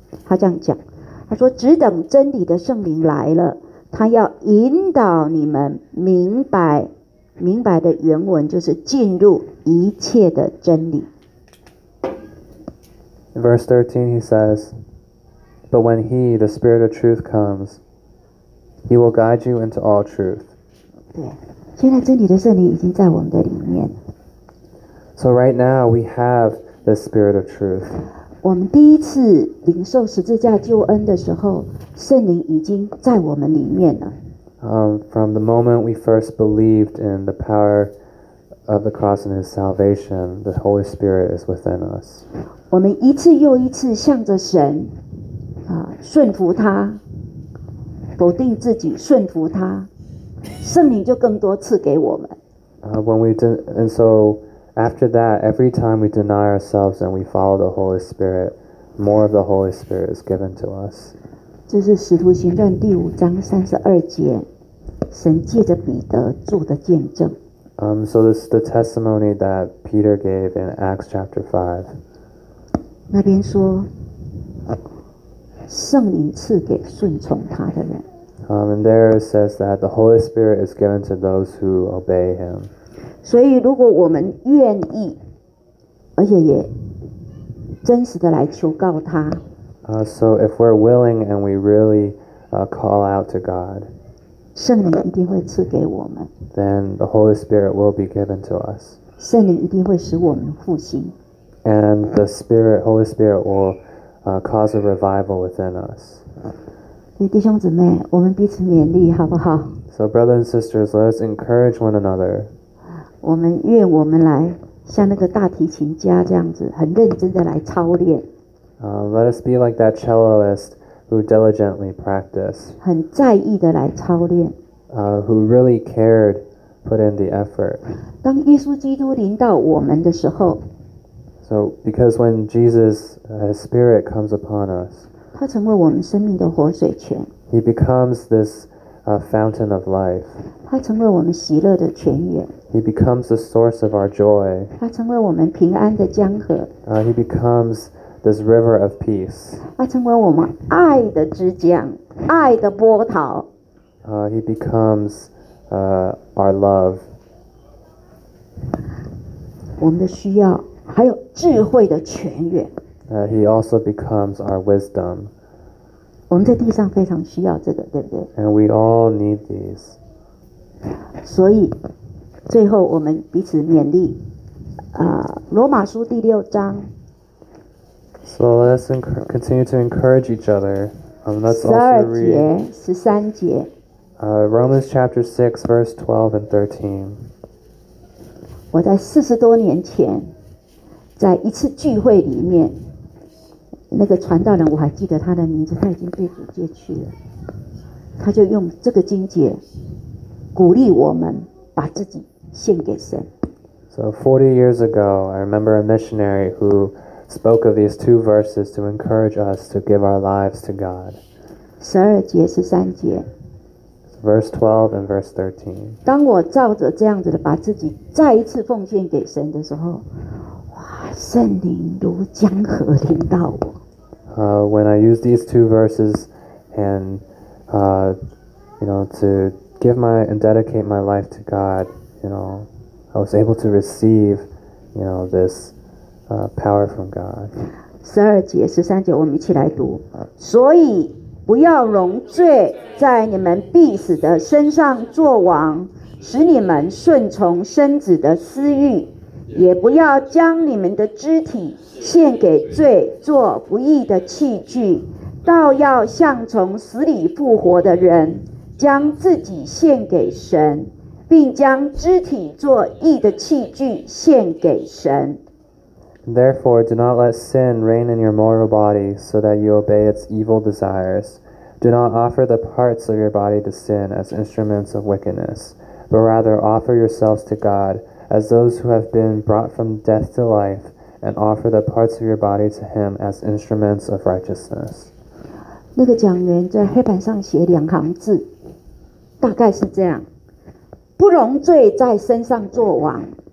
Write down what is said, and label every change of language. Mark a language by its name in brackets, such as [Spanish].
[Chinese] 他这样讲，他说，只等真理的圣灵来了，他要引导你们明白。明白的原文就是进入一切的真理。 [English] In verse 13, he says, "But when he, the Spirit of truth, comes, he will guide you into all truth." [Chinese] 对，现在真理的圣灵已经在我们的里面。 [English] So right now we have the Spirit of truth. [Chinese] 我们第一次领受十字架救恩的时候，圣灵已经在我们里面了。 [English] From the moment we first believed in the power of the cross and his salvation, the Holy Spirit is within us. [Chinese] 我们一次又一次向着神顺服他，否定自己，顺服他，圣灵就更多赐给我们。 [English] And so after that, every time we deny ourselves and we follow the Holy Spirit, more of the Holy Spirit is given to us. [Chinese] 这是使徒行传第五章三十二节，神借着彼得做的见证。 [English] So this is the testimony that Peter gave in Acts chapter 5. [Chinese] 那边说圣灵赐给顺从他的人。 [English] And there it says that the Holy Spirit is given to those who obey him. [Chinese] 所以如果我们愿意，而且也真实的来求告他。 [English] So if we're willing and we really call out to God, [Chinese] 圣灵一定会赐给我们。 [English] Then the Holy Spirit will be given to us. [Chinese] 圣灵一定会使我们复兴。 [English] And the Spirit, Holy Spirit will cause a revival within us. [Chinese] 弟兄姊妹，我们彼此勉励，好不好？ [English] So brothers and sisters, let us encourage one another. [Chinese] 我们愿我们来像那个大提琴家这样子，很认真的来操练。 [English] Let us be like that celloist who diligently practiced. [Chinese] 很在意的来操练。 [English] Who really cared, put in the effort. [Chinese] 当耶稣基督临到我们的时候。 [English] So, because when Jesus, His Spirit comes upon us, [Chinese] 他成为我们生命的活水泉。 [English] He becomes this fountain of life. [Chinese] 他成为我们喜乐的泉源。 [English] He becomes the source of our joy. [Chinese] 他成为我们平安的江河。 [English] He becomes this river of peace. [Chinese] 他成为我们爱的之江，爱的波涛。 [English] He becomes our love. [Chinese] 我们的需要。还有智慧的泉源。 [English] He also becomes our wisdom. [Chinese] 我们在地上非常需要这个，对不对？ [English] And we all need these. [Chinese] 所以最后我们彼此勉励，罗马书第六章。 [English] So let's continue to encourage each other. Let's also read. [Chinese] 十二节，十三节。 [English] Romans chapter 6, verse 12 and 13. [Chinese] 我在四十多年前在一次聚会里面，那个传道人我还记得他的名字，他已经被主接去了。他就用这个经节鼓励我们把自己献给神。 [English] So 40 years ago, I remember a missionary who spoke of these two verses to encourage us to give our lives to God. [Chinese] 十二节，十三节。 [English] Verse 12 and verse 13. [Chinese] 当我照着这样子的把自己再一次奉献给神的时候，圣灵如江河临到我。 [English] When I use these two verses and to give my and dedicate my life to God, I was able to receive, this power from God. [Chinese] 十二节、十三节，我们一起来读。所以不要容罪在你们必死的身上作王，使你们顺从身子的私欲。也不要将你们的肢体献给罪做不义的器具，倒要像从死里复活的人，将自己献给神，并将肢体做义的器具献给神。 [English] Therefore, do not let sin reign in your mortal body, so that you obey its evil desires. Do not offer the parts of your body to sin as instruments of wickedness, but rather offer yourselves to God. As those who have been brought from death to life, and offer the parts of your body to Him as instruments of righteousness. [Chinese] 那个讲员在黑板上写两行字，大概是这样：不容罪在身上作王。